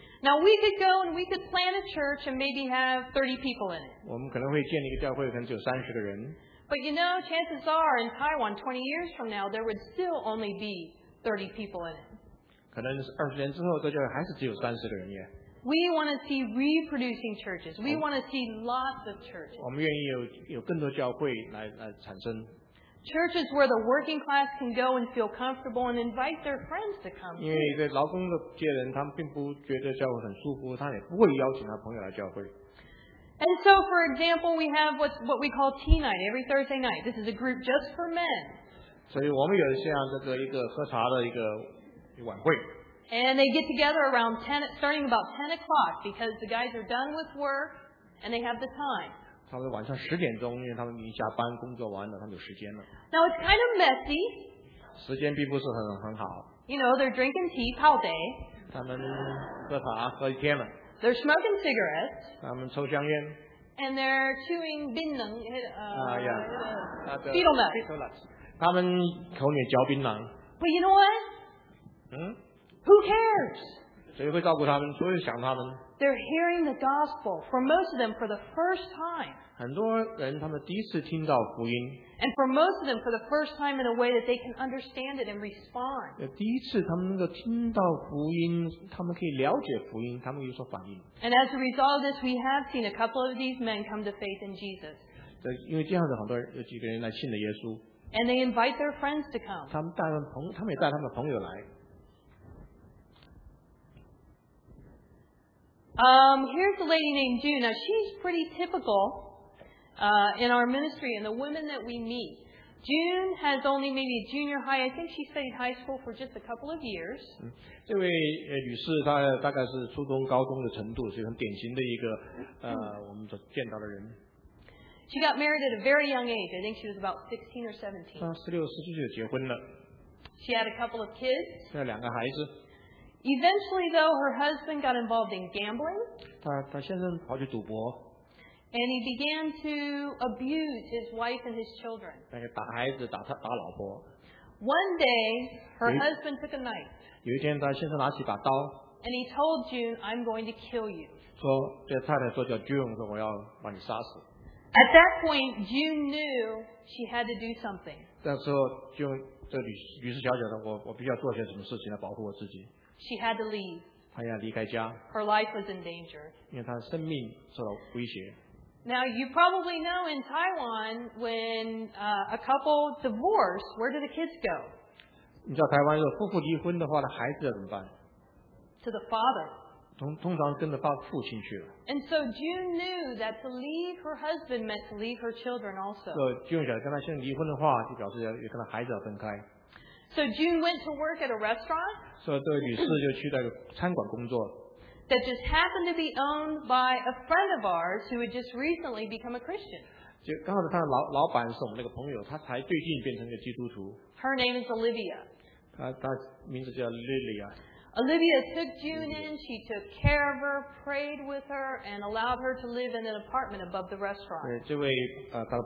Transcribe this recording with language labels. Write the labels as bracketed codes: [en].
[en] Now we could go and we could plan a church and maybe have 30 people in it. [zh] 我们可能会建立一个教会，可能只有30个人。 [en] But you know, chances are in Taiwan 20 years from now, there would still only be 30 people in it. [zh] 可能20年之后，这教会还是只有30个人耶。 [en] We want to see reproducing churches. We want to see lots of churches. [zh] 我们愿意有更多教会来产生。 [en] Churches where the working class can go and feel comfortable and invite their friends to come. [zh] 因为在劳工的阶层，他们并不觉得教会很舒服，他也不会邀请他朋友来教会。 [en] And so, for example, we have what we call tea night every Thursday night. This is a group just for men. [zh] 所以我们有像这个一个喝茶的一个晚会。 [en] And they get together around 10, starting about 10 o'clock because the guys are done with work and they have the time. [zh] 差不多晚上十点钟，因为他们已经下班工作完了，他们有时间了。 [en] Now it's kind of messy. [zh] 时间并不是很好。 [en] You know, they're drinking tea, [zh] 泡茶。他们喝茶喝一天了。 [en] They're smoking cigarettes. [zh] 他们抽香烟。 [en] And they're chewing 槟榔。 Beetle nuts. [zh] 他们口里嚼槟榔。 [en] But you know what? Who cares? [zh] 谁会照顾他们？谁会想他们？ [en] They're hearing the gospel for most of them for the first time. [zh] 很多人他们第一次听到福音。 [en] And for most of them for the first time in a way that they can understand it and respond. [zh] 第一次他们能够听到福音，他们可以了解福音，他们有所反应。 [en] And as a result of this, we have seen a couple of these men come to faith in Jesus. [zh] 因为这样的很多人有几个人来信了耶稣。 [en] And they invite their friends to come. [zh] 他们也带他们的朋友来。 [en] Here's a lady named June. Now, she's pretty typical in our ministry and the women that we meet. June has only maybe a junior high. I think she studied high school for just a couple of years. [zh] 这位女士她大概是初中高中的程度，是很典型的一个我们所见到的人。 [en] She got married at a very young age. I think she was about 16 or 17. [zh] 16岁就结婚了。 [en] She had a couple of kids. [zh] 她有两个孩子。 [en] Eventually, though, her husband got involved in gambling. [zh] 她先生跑去赌博。 [en] And he began to abuse his wife and his children. [zh] 打孩子，打老婆。 [en] One day, her husband took a knife. [zh] 有一天，他先生拿起把刀。 [en] And he told June, "I'm going to kill you." [zh] 说，这太太说叫 June 说我要把你杀死。 [en] At that point, June knew she had to do something. [zh] 那时候，June这女士小姐说，我必须要做些什么事情来保护我自己。 [en] She had to leave. [zh] 她要离开家。 [en] Her life was in danger. [zh] 因为她的生命受到威胁。 [en] Now, you probably know in Taiwan, when a couple divorce, where do the kids go? [zh] 你知道台湾有夫妇离婚的话，孩子要怎么办？ [en] To the father. [zh] 通常跟着父亲去了。 [en] And so June knew that to leave her husband meant to leave her children also. [zh] 如果June想跟她先生离婚的话，就表示要跟她孩子要分开。 [en] So June went to work at a restaurant. [zh] 所以这个女士就去那个餐馆工作。 [en] That just happened to be owned by a friend of ours who had just recently become a Christian. [zh] 就刚好他的老板是我们那个朋友，他才最近变成一个基督徒。 [en] Her name is Olivia. [zh] 她名字叫Lilia。 [en] Olivia took June in, she took care of her, prayed with her, and allowed her to live in an apartment above the restaurant.